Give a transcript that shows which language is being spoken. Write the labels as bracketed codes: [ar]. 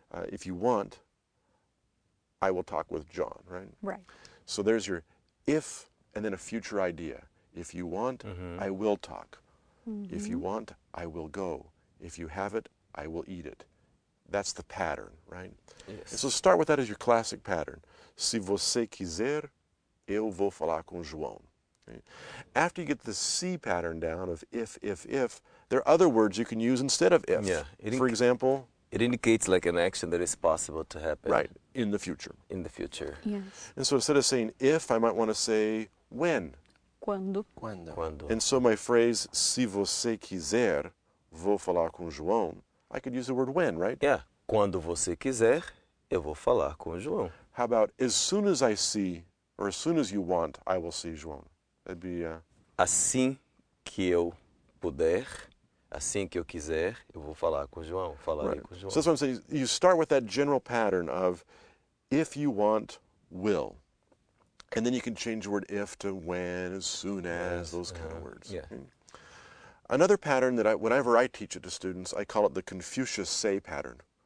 [en] If you want, I will talk with John, right? Right. So there's your if and then a future idea. If you want, I will talk. Mm-hmm. If you want, I will go. If you have it, I will eat it. That's the pattern, right? Yes. And so start with that as your classic pattern. [pt] Si você quiser, eu vou falar com João. [en] After you get the C pattern down of if, there are other words you can use instead of if. Yeah. For example, it indicates like an action that is possible to happen. Right. In the future. In the future. Yes. And so instead of saying if, I might want to say when. [pt] Quando. Quando. Quando. [en] And so my phrase, [pt] se você quiser, vou falar com João, [en] I could use the word when, right? Yeah. [pt] Quando você quiser, eu vou falar com João. [en] How about as soon as I see, or as soon as you want, I will see João? That'd be [pt] assim que eu puder, assim que eu quiser, eu vou falar com João, falarei [en] right. [pt] com João. [en] So that's what I'm saying. You start with that general pattern of if you want, will. And then you can change the word if to when, as soon as, yes, those kind of words. Yeah. Mm-hmm. Another pattern that whenever I teach it to students, I call it the Confucius say pattern.